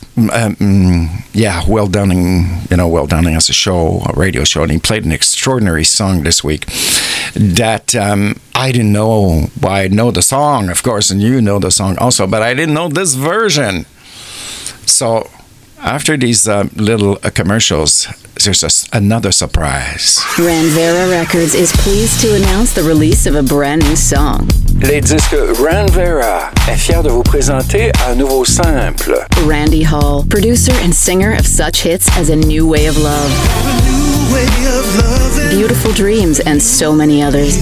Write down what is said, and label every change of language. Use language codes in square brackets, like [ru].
[en] Will Downing, you know, Will Downing has a radio show, and he played an extraordinary song this week that I didn't know. Well, I know the song, of course, and you know the song also, but I didn't know this version. So after these little commercials, there's another surprise. Ranvera Records is pleased to announce the release of a brand new song. [fr] Les disques Ranvera est fier de vous présenter un nouveau simple. [en] Randy Hall, producer and singer of such hits as A New Way of Love, Beautiful Dreams, and so many others.